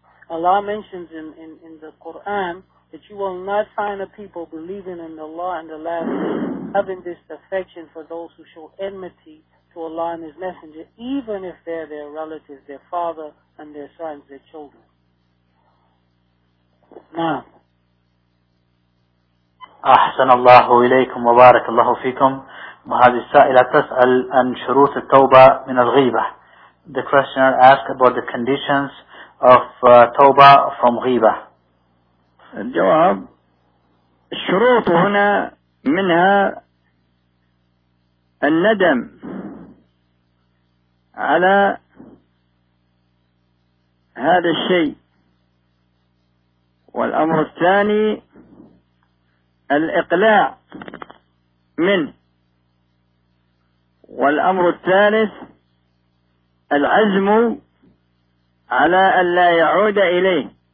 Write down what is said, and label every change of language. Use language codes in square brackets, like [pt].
[en] Allah mentions in the Quran that you will not find a people believing in Allah and the last day having this affection for those who show enmity to Allah and His Messenger, even if they're their relatives, their father and their sons, their children. Now, [ar] أحسن الله إليكم وبارك الله فيكم وهذه السائلة تسأل عن شروط التوبة من الغيبة. [en] The questioner asked about the conditions of توبة from غيبة. [ar] الجواب الشروط هنا منها الندم على هذا الشيء والأمر الثاني الإقلاع منه والأمر الثالث العزم على أن لا يعود إليه